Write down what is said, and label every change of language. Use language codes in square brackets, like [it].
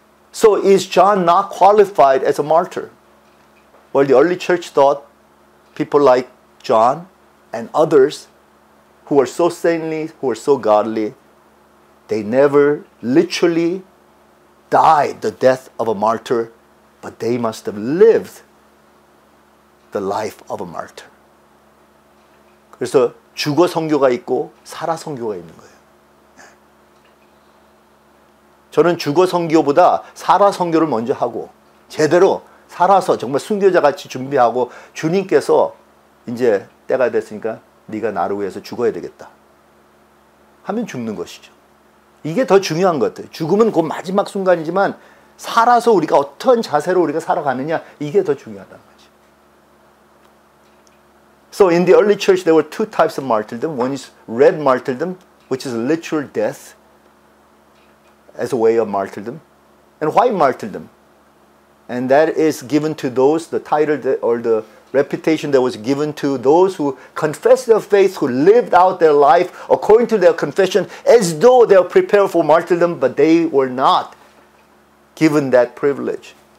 [en] So is John not qualified as a martyr? Well, the early church thought people like John and others who were so saintly, who were so godly, they never literally died the death of a martyr, but they must have lived the life of a martyr. [ko] 그래서 죽어 선교가 있고 살아 선교가 있는 거예요. 저는 죽어 선교보다 살아 선교를 먼저 하고 제대로 살아서 정말 순교자 같이 준비하고 주님께서 이제 때가 됐으니까 네가 나를 위해서 죽어야 되겠다 하면 죽는 것이죠. 이게 더 중요한 것 같아요. 죽음은 그 마지막 순간이지만 살아서 우리가 어떤 자세로 우리가 살아가느냐 이게 더 중요하다. [en] So in the early church, there were two types of martyrdom. One is red martyrdom, which is literal death as a way of martyrdom. And white martyrdom. And that is given to those, the title that, or the reputation that was given to those who confessed their faith, who lived out their life according to their confession, as though they were prepared for martyrdom, but they were not given that privilege.